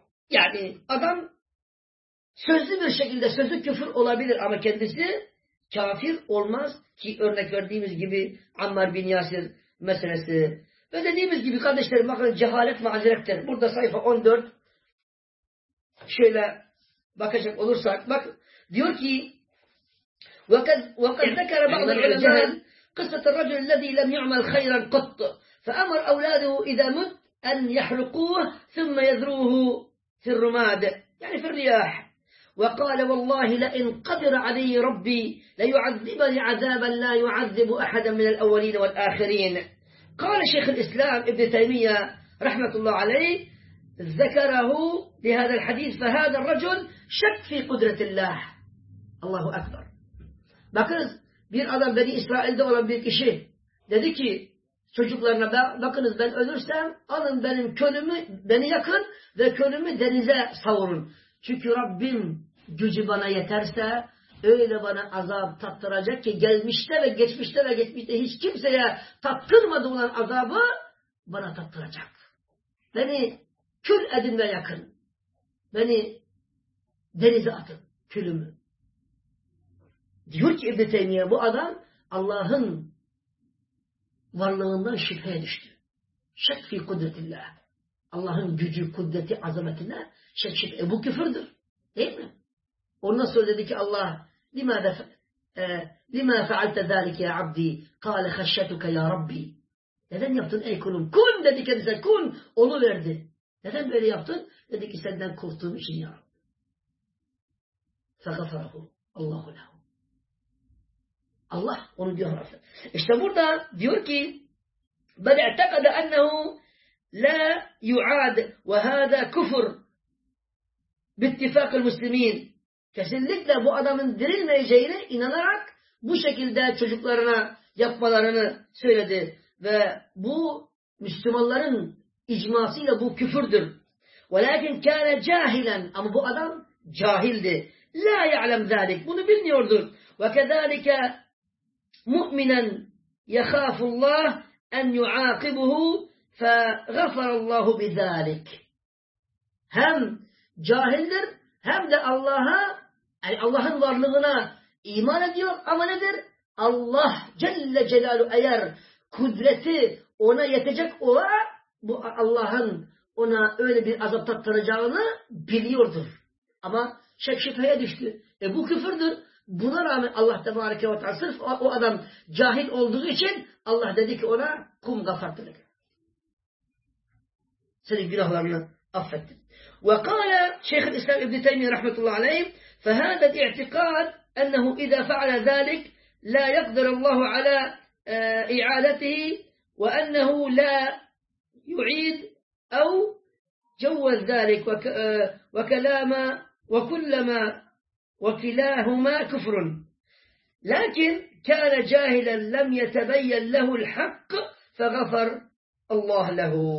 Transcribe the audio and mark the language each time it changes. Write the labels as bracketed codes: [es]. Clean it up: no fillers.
[tr] Yani adam sözlü bir şekilde sözü küfür olabilir ama kendisi kafir olmaz ki örnek verdiğimiz gibi Ammar bin Yasir meselesi. Ve dediğimiz gibi kardeşlerim bakın cehalet mazerettir. Burada sayfa 14 şöyle bakacak olursak bak diyor ki [ar] وَقَدْ ذَكَرَ بَعْضَ الْعُلَمَاءِ قِصَّةَ الرَّجُلِ الَّذِي لَمْ يَعْمَلْ خَيْرًا قُطُّ فَأَمَرْ أَوْلَادُهُ اِذَا مُتْ اَنْ يَحْرُقُوهُ ثُمَّ يَذْرُوهُ فِي الرُّمَادِ yani فِي الرِّيَاحِ وَقَالَ وَاللَّهِ لَئِنْ قَدِرَ عَلَيْهِ رَبِّي لَيُعَذِّبَنِ عَذَابًا لَا يُعَذِّبُ أَحَدًا مِنَ الْأَوَّلِينَ وَالْآخِرِينَ قال شيخ الإسلام ابن تيمية رحمة الله عليه ذكره بهذا الحديث فهذا الرجل شك في قدرة الله الله أكبر [tr] bakınız bir adam Beni İsrail'de olan bir kişi dedi ki çocuklarına bakınız ben ölürsem alın benim kölümü beni yakın ve kölümü denize savurun çünkü Rabbim gücü bana yeterse öyle bana azap tattıracak ki gelmişte ve geçmişte ve geçmişte hiç kimseye tattırmadı olan azabı bana tattıracak. Beni kül edin ve yakın. Beni denize atın, külümü. Diyor ki İbn-i Teymiye, bu adam Allah'ın varlığından şüpheye düştü. Şek fi kudretillah. Allah'ın gücü, kudreti, azametine şek şüphe. Bu küfürdür. Değil mi? Ondan sonra dedi ki Allah, [ar] لِمَا فَعَلْتَ ذَٰلِكَ يَا عَبْدِي قَالَ خَشَّتُكَ يَا رَبِّي. [tr] Neden yaptın ey kulum? Kun dedi kendisine, kun. Onu verdi. Neden böyle yaptın? Dedi ki senden korktuğum için ya Rabbi. [ar] فَغَفَرَهُ اللّٰهُ لَهُ. [tr] Allah onu diyor affet. İşte burada diyor ki [ar] بَلْ اَعْتَقَدَ اَنَّهُ لَا يُعَادْ وَهَذَا كُفُرْ بِاتِّفَاقِ الْمُسْلِم۪ينَ. [tr] Kesinlikle bu adamın dirilmeyeceğine inanarak bu şekilde çocuklarına yapmalarını söyledi. Ve bu Müslümanların icmasıyla bu küfürdür. [ar] وَلَاكِنْ كَانَ جَاهِلًا. [tr] Ama bu adam cahildi. [ar] لَا يَعْلَمْ ذَٰلِكَ. [tr] Bunu bilmiyordu. [ar] وَكَذَٰلِكَ مُؤْمِنًا يَخَافُ اللّٰهُ اَنْ يُعَاقِبُهُ فَغَفَرَ اللّٰهُ بِذَٰلِكَ. [tr] Hem cahildir, hem de Allah'a, yani Allah'ın varlığına iman ediyor. Ama nedir? Allah Celle Celaluhu eğer kudreti ona yetecek ola, bu Allah'ın ona öyle bir azap tattıracağını biliyordur. Ama şek şüpheye düştü. Bu küfürdür. Buna rağmen Allah tebareke ve teala sırf o adam cahil olduğu için Allah dedi ki ona kum gafardır. Senin günahlarını affettim. [ar] وقال شيخ الإسلام ابن تيمية رحمة الله عليه فهذا الاعتقاد أنه إذا فعل ذلك لا يقدر الله على إعادته وأنه لا يعيد أو جوز ذلك وكلاما وكلما وكلاهما كفر لكن كان جاهلا لم يتبين له الحق فغفر الله له.